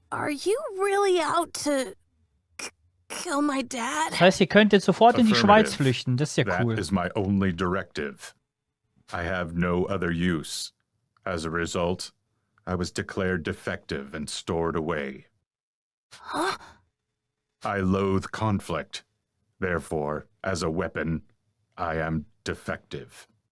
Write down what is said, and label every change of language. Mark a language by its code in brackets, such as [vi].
[en] Are you really out to kill my dad? [de] Das heißt, ihr könntet sofort in die Schweiz flüchten. Das ist ja [en] that cool. That is my only directive. I have no other use. As a result, I was declared defective and stored away. Huh? I loathe conflict. Therefore, as a weapon, I am defective.